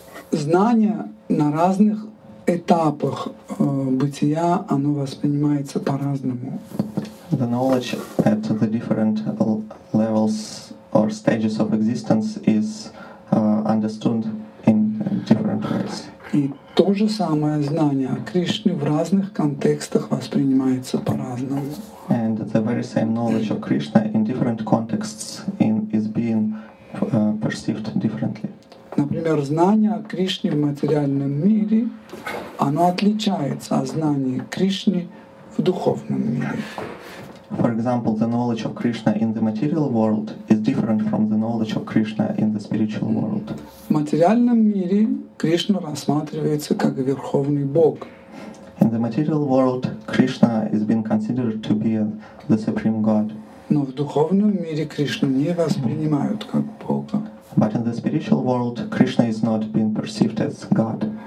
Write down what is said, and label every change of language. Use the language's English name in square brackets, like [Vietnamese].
[Russian] Знание на разных этапах бытия, оно воспринимается по-разному. [English] The knowledge at the different levels or stages of existence is understood in different ways. [Russian] И то же самое знание о Кришне в разных контекстах воспринимается по-разному. [English] And the very same knowledge of Krishna in different contexts is being perceived differently. [Russian] Например, знание о Кришне в материальном мире, оно отличается от знания Кришны в духовном мире. [English] For example, the knowledge of Krishna in the material world is different from the knowledge of Krishna in the spiritual world. [Russian] В материальном мире Кришна рассматривается как верховный бог. [English] In the material world, Krishna is being considered to be the supreme god. [Russian] Но в духовном мире Кришну не воспринимают как бога. [English] But in the spiritual world, Krishna is not being perceived as god.